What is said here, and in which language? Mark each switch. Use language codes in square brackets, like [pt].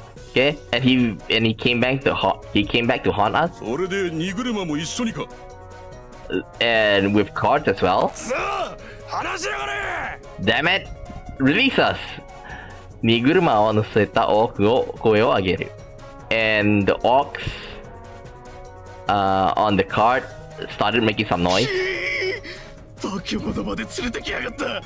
[en] Okay, and he came back to haunt us. [ja] それで荷車も一緒にか。 [en] And with cards as well. [ja] さあ、話しやがれ。 [en] Damn it! Release us! [ja] 荷車を乗せたオークを声を上げる。 [en] And the ox on the cart started making some noise. [ja] 化け物まで連れてきやがった。